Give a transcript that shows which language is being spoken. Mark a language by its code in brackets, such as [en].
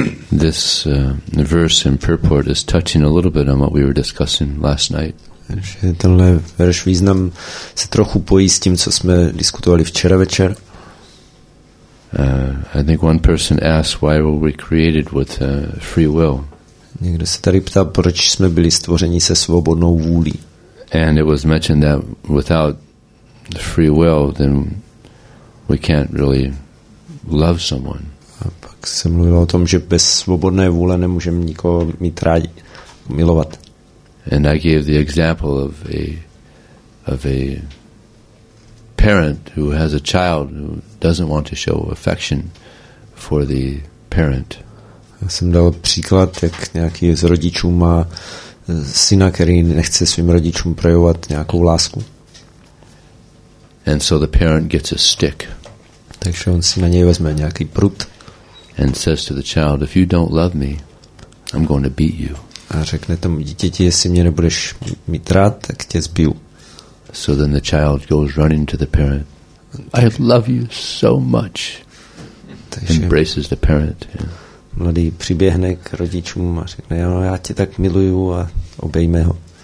[en] This verse in purport is touching a little bit on what we were discussing last night. [cs] Že tenhle verš význam se trochu pojí s tím, co jsme diskutovali včera večer. [en] I think one person asked why were we created with free will. [cs] Někdo se tady ptá, proč jsme byli stvořeni se svobodnou vůlí. [en] And it was mentioned that without free will, then we can't really love someone. [cs] A pak se mluvilo o tom, že bez svobodné vůle nemůžeme nikoho mít rádi, milovat. [en] And I gave the example of a parent who has a child who doesn't want to show affection for the parent. [cs] Já jsem dal příklad, jak nějaký z rodičů má syna, který nechce svým rodičům projevovat nějakou lásku. [en] And so the parent gets a stick. [cs] Takže on si na něj vezme nějaký prut. [en] And says to the child, if you don't love me, I'm going to beat you. [cs] A řekne tomu dítěti, jestli mě nebudeš mít rád, tak tě zbiju. [en] So then the child goes running to the parent. I love you so much. Embraces the parent. Yeah. [cs] Mladý přiběhne k rodičům a řekne, no, já tě tak miluju a obejme ho.